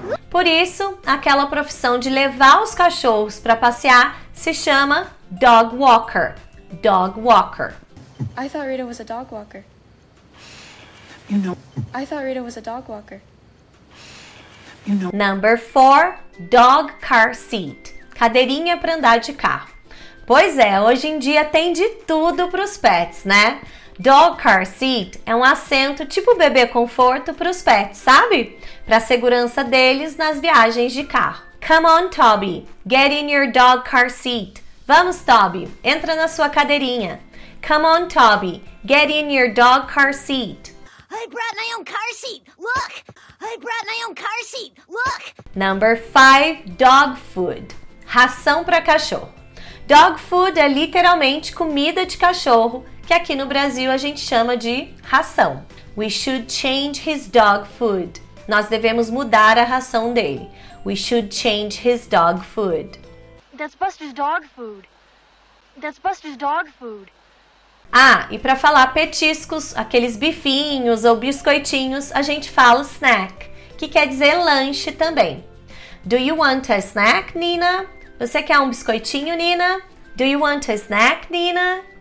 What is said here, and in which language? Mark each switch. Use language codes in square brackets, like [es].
[pt] Por isso, aquela profissão de levar os cachorros para passear se chama dog walker. [en] Dog walker. I thought Rita was a dog walker. You know. I thought Rita was a dog walker. Number 4, dog car seat. [pt] Cadeirinha para andar de carro. Pois é, hoje em dia tem de tudo para os pets, né? Dog car seat é um assento tipo bebê conforto para os pets, sabe? Para a segurança deles nas viagens de carro. [en] Come on, Toby. Get in your dog car seat. [pt] Vamos, Toby. Entra na sua cadeirinha. [en] Come on, Toby. Get in your dog car seat. I brought my own car seat. Look! I brought my own car seat. Look! Number 5, dog food. [pt] Ração para cachorro. Dog food é literalmente comida de cachorro, que aqui no Brasil a gente chama de ração. [en] We should change his dog food. [pt] Nós devemos mudar a ração dele. [en] We should change his dog food. That's Buster's dog food. That's Buster's dog food. [pt] Ah, e para falar petiscos, aqueles bifinhos ou biscoitinhos, a gente fala snack, que quer dizer lanche também. [en] Do you want a snack, Nina? [pt] Você quer um biscoitinho, Nina? [en] Do you want a snack, Nina?